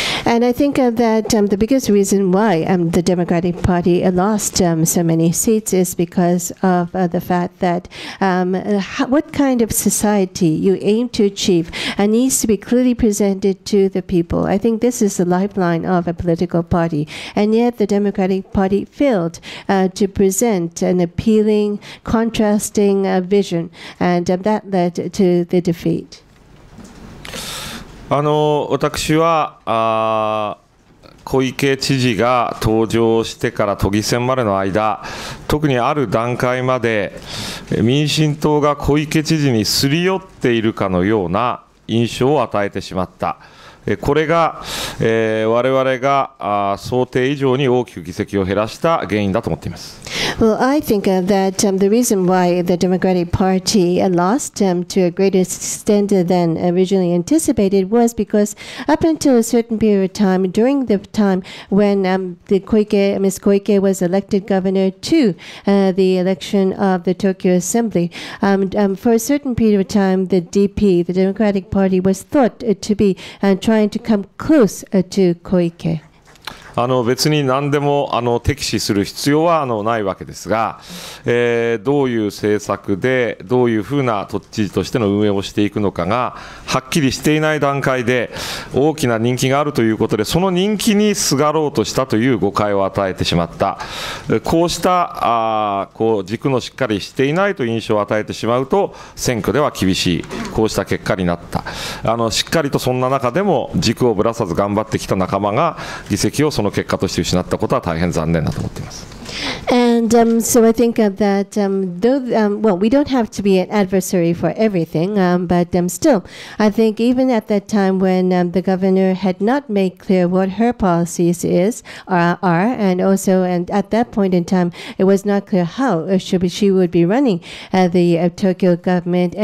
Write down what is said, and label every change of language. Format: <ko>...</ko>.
<en>And I think that the biggest reason why the Democratic Party lost so many seats is because of the fact that what kind of society you aim to achieve needs to be clearly presented to the people. I think this is the lifeline of a political party. And yet the Democratic Party failed to present an appealing, contrasting vision. And that led to the defeat.</en> <ja>あの私は小池知事が登場してから都議選までの間、特にある段階まで民進党が小池知事にすり寄っているかのような印象を与えてしまった。これが、我々が想定以上に大きく議席を減らした原因だと思っています。</ja> <en>Well, I think that the reason why the Democratic Party lost to a greater extent than originally anticipated was because up until a certain period of time, during the time when Ms. Koike was elected governor to the election of the Tokyo Assembly, for a certain period of time, the DP, the Democratic Party, was thought to be trying to come close to Koike.</en> <ja>あの別に何でも敵視する必要はないわけですが、どういう政策でどういうふうな都知事としての運営をしていくのかがはっきりしていない段階で大きな人気があるということで、その人気にすがろうとしたという誤解を与えてしまった。こうしたこう軸のしっかりしていないという印象を与えてしまうと選挙では厳しい、こうした結果になった。しっかりとそんな中でも軸をぶらさず頑張ってきた仲間が議席をその結果として失ったことは大変残念だと思っています。</ja> <en>And so I think that though well, we don't have to be an adversary for everything, but still, I think even at that time when the governor had not made clear what her policies are, and also and at that point in time, it was not clear how she would be running the Tokyo government.</en>